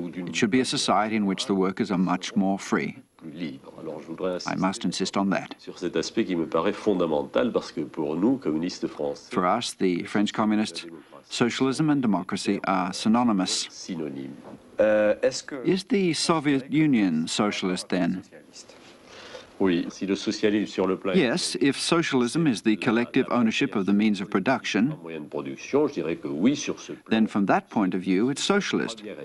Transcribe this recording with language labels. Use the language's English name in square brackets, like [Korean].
[English] It should be a society in which the workers are much more free. [French] Alors, je voudrais [English] I must insist on that. [French] Sur cet aspect qui me paraît fondamental parce que pour nous, communistes français, [English] for us, the French communists, socialism and democracy are synonymous. [French] Synonyme. [English] Is the Soviet Union socialist then? Yes, if socialism is the collective ownership of the means of production, then from that point of view, it's socialist.